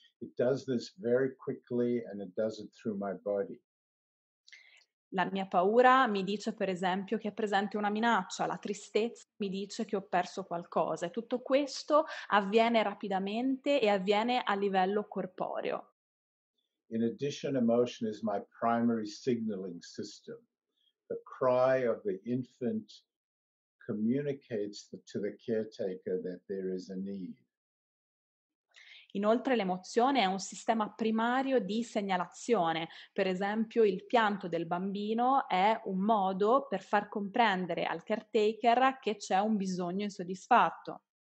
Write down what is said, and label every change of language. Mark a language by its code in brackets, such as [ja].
[en] It does this very quickly and it does it through my body. [it] La mia paura mi dice, per esempio, che è presente una minaccia. La tristezza mi dice che ho perso qualcosa. E tutto questo avviene rapidamente e avviene a livello corporeo. [en] In addition, emotion is my primary signaling system. The cry of the infant communicates to the caretaker that there is a need. [it] Inoltre l'emozione è un sistema primario di segnalazione. Per esempio, il pianto del bambino è un modo per far comprendere al caretaker che c'è un bisogno insoddisfatto.